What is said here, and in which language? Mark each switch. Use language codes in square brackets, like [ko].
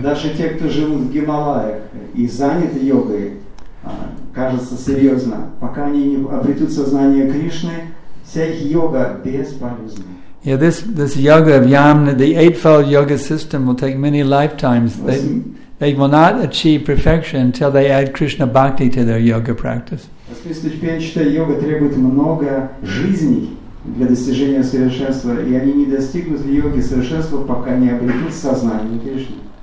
[ru] Даже те, кто живут в Гималаях и заняты йогой, кажется серьезно, пока они не обретут сознание Кришны, вся их йога бесполезна. [en] Yeah, this yoga of Yamna, the eightfold yoga system, will take many lifetimes. They will not achieve perfection until they add Krishna bhakti to their yoga practice. [ru] Ступенчатая йога требует много жизней для достижения совершенства, и они не достигнут в йоге совершенства, пока не обретут сознание Кришны.